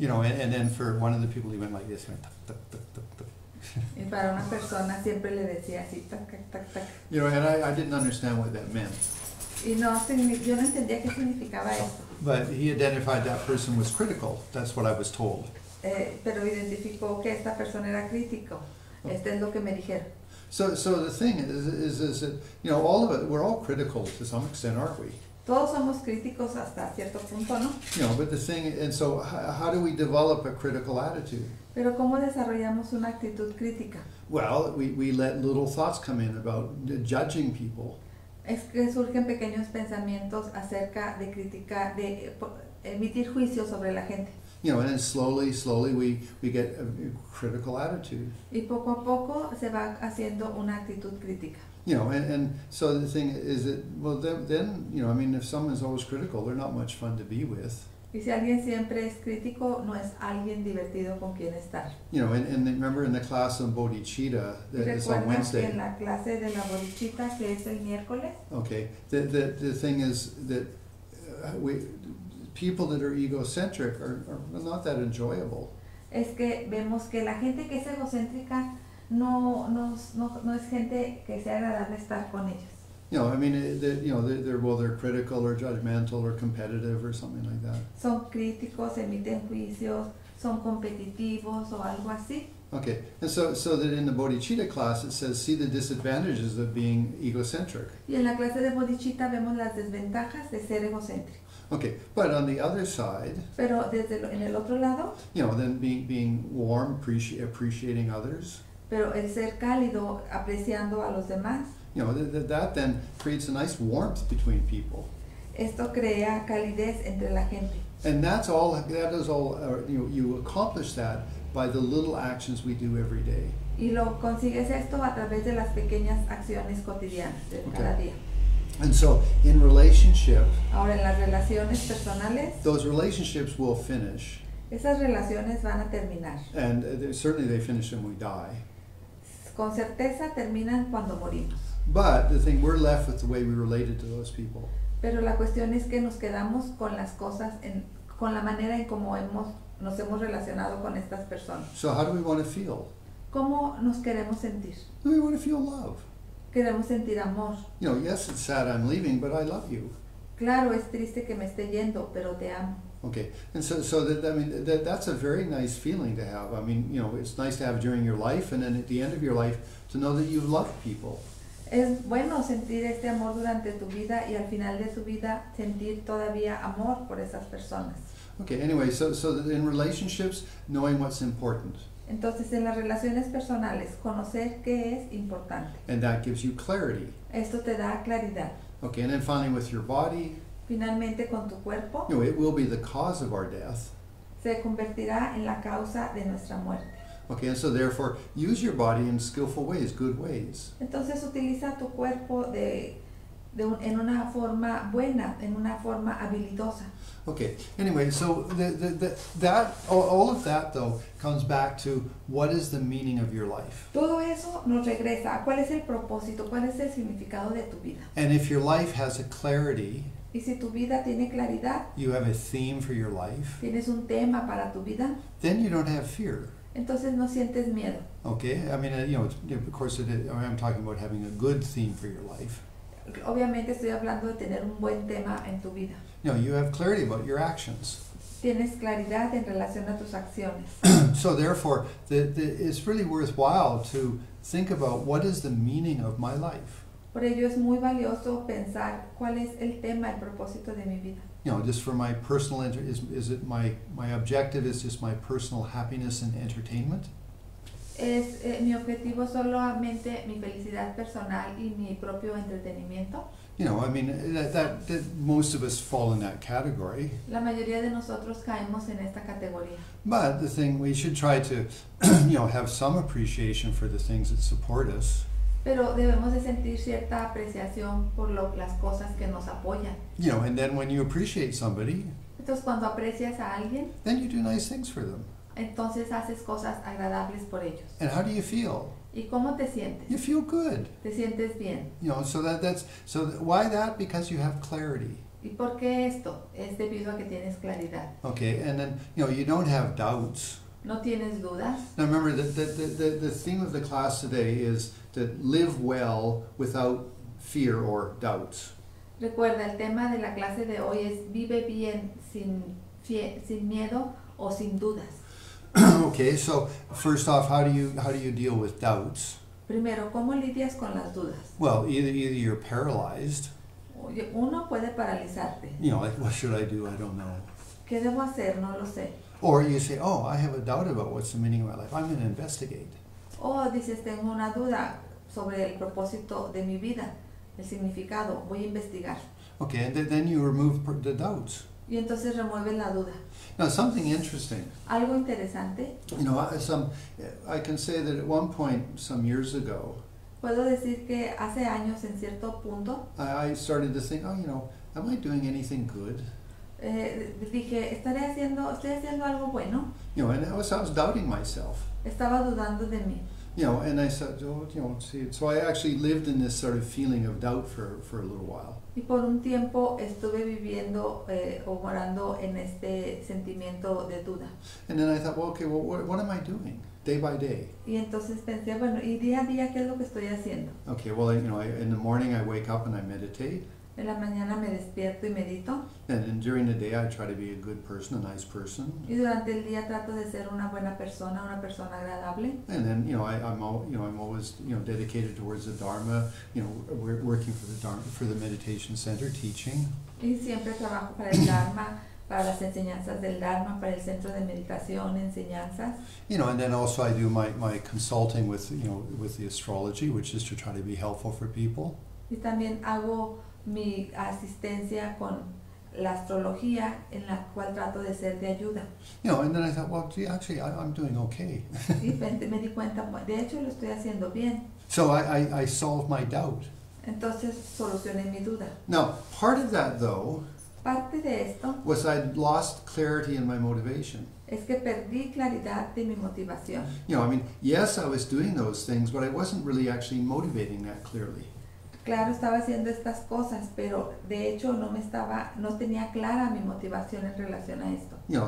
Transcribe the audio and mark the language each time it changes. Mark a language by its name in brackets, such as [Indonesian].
[English] You know, and then for one of the people, he went like this. Went, tuk, tuk, tuk, tuk. [Spanish] Y para una persona siempre le decía así, tac, tac, tac, tac. [English] You know, and I didn't understand what that meant. [Spanish] Y no, yo no entendía qué significaba eso. [English] But he identified that person was critical. That's what I was told. [Spanish] Pero identificó que esta persona era crítico. Este es lo que me dijeron. [English] So the thing is that, you know, all of it, we're all critical to some extent, aren't we? [Spanish] Todos somos críticos hasta cierto punto, ¿no? [English] You know, but the thing, and so how do we develop a critical attitude? [Spanish] Pero ¿cómo desarrollamos una actitud crítica? [English] Well, we let little thoughts come in about judging people. [Spanish] Es que surgen pequeños pensamientos acerca de criticar, de emitir juicios sobre la gente. [English] You know, and then slowly we get a critical attitude. [Spanish] Y poco a poco se va haciendo una actitud crítica. [English] You know, and so the thing is that, well, then, you know, I mean, if someone's always critical, they're not much fun to be with. [Spanish] Y si alguien siempre es crítico, no es alguien divertido con quien estar. [English] You know, and remember in the class on bodhicitta, that is on Wednesday. [Spanish] En la clase de la bodhicitta, que es el miércoles. [English] Okay, the thing is that we... People that are egocentric are not that enjoyable. [Spanish] Es que vemos que la gente que es egocéntrica no es gente que sea agradable estar con ellos. [English] You know, I mean, they're critical or judgmental or competitive or something like that. [Spanish] Son críticos, emiten juicios, son competitivos o algo así. [English] Okay, and so that in the bodhicitta class it says see the disadvantages of being egocentric. [Spanish] Y en la clase de bodhicitta vemos las desventajas de ser egocéntrico. [English] Okay, but on the other side, [Spanish] pero desde en el otro lado, [English] you know, then being warm, appreciating others, [Spanish] pero el ser cálido, apreciando a los demás, [English] you know, that then creates a nice warmth between people. [Spanish] Esto crea calidez entre la gente. [English] And that's all, that is all, you know, you accomplish that by the little actions we do every day. [Spanish] Y lo consigues esto a través de las pequeñas acciones cotidianas de cada día. [English] And so, in relationship, [Spanish] ahora en las relaciones personales, [English] those relationships will finish. [Spanish] Esas relaciones van a terminar. [English] And certainly they finish when we die. [Spanish] Con certeza terminan cuando morimos. [English] But the thing, we're left with the way we related to those people. [Spanish] Pero la cuestión es que nos quedamos con las cosas, con la manera en cómo nos hemos relacionado con estas personas. [English] So how do we want to feel? [Spanish] ¿Cómo nos queremos sentir? [English] Do we want to feel love? [Spanish] Queremos sentir amor. [English] You know, yes, it's sad I'm leaving, but I love you. [Spanish] Claro, es triste que me esté yendo, pero te amo. [English] Okay, and so that, I mean, that's a very nice feeling to have. I mean, you know, it's nice to have during your life, and then at the end of your life, to know that you love people. [Spanish] Es bueno sentir este amor durante tu vida y al final de tu vida sentir todavía amor por esas personas. [English] Okay, anyway, so in relationships, knowing what's important. [Spanish] Entonces, en las relaciones personales, conocer qué es importante. [English] And that gives you clarity. [Spanish] Esto te da claridad. [English] Okay, and then finally with your body. [Spanish] Finalmente con tu cuerpo. [English] You know, it will be the cause of our death. [Spanish] Se convertirá en la causa de nuestra muerte. [English] Okay, and so therefore, use your body in skillful ways, good ways. [Spanish] Entonces, utiliza tu cuerpo en una forma buena, en una forma habilidosa. [English] Okay, anyway, so all of that, though, comes back to what is the meaning of your life. [Spanish] Todo eso nos regresa a cuál es el propósito, cuál es el significado de tu vida. [English] And if your life has a clarity, [Spanish] y si tu vida tiene claridad, [English] you have a theme for your life, [Spanish] tienes un tema para tu vida, [English] then you don't have fear. [Spanish] Entonces no sientes miedo. [English] Okay, I mean, of course, I'm talking about having a good theme for your life. [Spanish] Obviamente estoy hablando de tener un buen tema en tu vida. [English] No, you have clarity about your actions. [Spanish] Tienes claridad en relación a tus acciones. [English] So therefore, it's really worthwhile to think about what is the meaning of my life. [Spanish] Por ello es muy valioso pensar cuál es el tema, el propósito de mi vida. [English] You know, just for my personal is it my objective is just my personal happiness and entertainment? [Spanish] Es mi objetivo solamente mi felicidad personal y mi propio entretenimiento. [English] You know, I mean, that most of us fall in that category. [Spanish] La mayoría de nosotros caemos en esta categoría. [English] But the thing, we should try to, have some appreciation for the things that support us. [Spanish] Pero debemos de sentir cierta apreciación por las cosas que nos apoyan. [English] You know, and then when you appreciate somebody, [Spanish] entonces cuando aprecias a alguien, [English] then you do nice things for them. [Spanish] Entonces haces cosas agradables por ellos. [English] And how do you feel? [Spanish] ¿Y cómo te sientes? [English] You feel good. [Spanish] Te sientes bien. [English] You know, why that? Because you have clarity. [Spanish] ¿Y por qué esto? Es debido a que tienes claridad. [English] Okay, and then, you don't have doubts. [Spanish] ¿No tienes dudas? [English] Now remember, the theme of the class today is to live well without fear or doubts. [Spanish] Recuerda, el tema de la clase de hoy es vive bien sin miedo o sin dudas. [English] Okay, so first off, how do you deal with doubts? [Spanish] Primero, ¿cómo lidias con las dudas? [English] Well, either you're paralyzed. [Spanish] Uno puede paralizarte. [English] Like, what should I do? I don't know. [Spanish] ¿Qué debo hacer? No lo sé. [English] Or you say, oh, I have a doubt about what's the meaning of my life. I'm going to investigate. [Spanish] Oh, dices, tengo una duda sobre el propósito de mi vida, el significado. Voy a investigar. [English] Okay, and then you remove the doubts. [Spanish] Y entonces remueve la duda. [English] Now, something interesting. [Spanish] Algo interesante. [English] I can say that at one point, some years ago, [Spanish] puedo decir que hace años, en cierto punto, [English] I started to think, am I doing anything good? [Spanish] Dije, ¿estoy haciendo algo bueno? [English] I was doubting myself. [Spanish] Estaba dudando de mí. [English] And I said, I actually lived in this sort of feeling of doubt for a little while. [Spanish] Y por un tiempo estuve viviendo o morando en este sentimiento de duda. [English] And then I thought, what am I doing day by day? [Spanish] Y entonces pensé, bueno, ¿y día a día qué es lo que estoy haciendo? [English] Okay, well, in the morning I wake up and I meditate. [Spanish] En la mañana me despierto y medito. [English] And during the day I try to be a good person, a nice person. [Spanish] Y durante el día trato de ser una buena persona, una persona agradable. [English] And then, I'm always, dedicated towards the Dharma, working for the Dharma, for the meditation center, teaching. [Spanish] Y siempre trabajo para el Dharma, para las enseñanzas del Dharma, para el centro de meditación, enseñanzas. [English] And then also I do my consulting with the astrology, which is to try to be helpful for people. [Spanish] Y también hago mi asistencia con la astrología en la cual trato de ser de ayuda. [English] And then I thought, actually, I'm doing okay. [Spanish] Y me di cuenta, de hecho, lo estoy haciendo bien. [English] So I solved my doubt. [Spanish] Entonces solucioné mi duda. [English] Now, part of that, though, [Spanish] parte de esto, [English] was I lost clarity in my motivation. [Spanish] Es que perdí claridad de mi motivación. [English] Yes, I was doing those things, but I wasn't really actually motivating that clearly. [Spanish] Claro, estaba haciendo estas cosas, pero de hecho no tenía clara mi motivación en relación a esto.